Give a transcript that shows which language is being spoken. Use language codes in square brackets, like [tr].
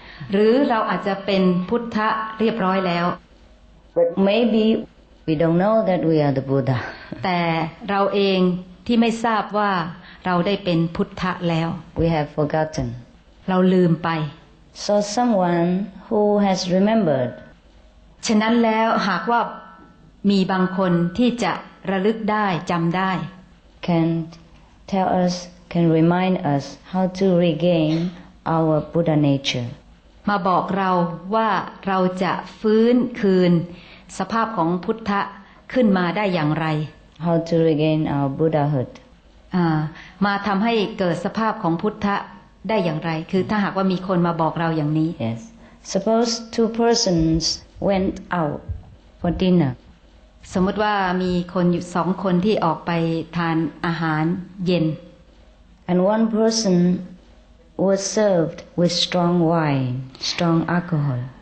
[th] หรือเราอาจจะเป็นพุทธะเรียบร้อยแล้ว [en] But maybe we don't know that we are the Buddha. [th] แต่เราเองที่ไม่ทราบว่าเราได้เป็นพุทธะแล้ว [en] We have forgotten. [th] เราลืมไป [en] So someone who has remembered. [th] ฉะนั้นแล้วหากว่ามีบางคนที่จะระลึกได้จำได้ [en] Can tell us. Can remind us how to regain our Buddha nature. [th] มาบอกเราว่าเราจะฟื้นคืนสภาพของพุทธะขึ้นมาได้อย่างไร [en] How to regain our Buddhahood. [th] มาทำให้เกิดสภาพของพุทธะได้อย่างไรคือถ้าหากว่ามีคนมาบอกเราอย่างนี้ [en] Yes. Suppose two persons went out for dinner. [th] สมมติว่ามีคนอยู่สองคนที่ออกไปทานอาหารเย็น [en] And one person was served with strong wine, strong alcohol.